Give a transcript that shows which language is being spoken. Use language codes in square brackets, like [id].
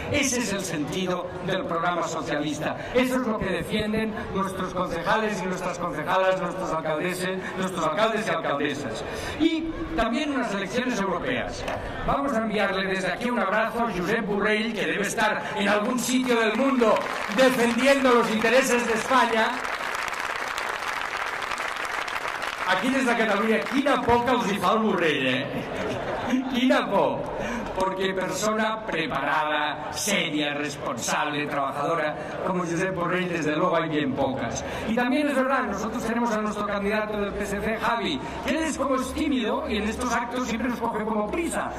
[es] Ese es el sentido del programa socialista. Eso es lo que defienden nuestros concejales y nuestras concejalas, nuestros alcaldes y alcaldesas. Y también unas elecciones europeas. Vamos a enviarle desde aquí un abrazo a Josep Borrell, que debe estar en algún sitio del mundo defendiendo los intereses de España. [ca] Aquí des de Catalunya, quina por que els hi fa el Borrell, eh? Quina por! [es] Porque persona preparada, seria, responsable, trabajadora, como Josep Borrell, desde luego hay bien pocas. Y también es verdad, nosotros tenemos a nuestro candidato del PSC, Javi, que él es como tímido y en estos actos siempre nos coge como prisa.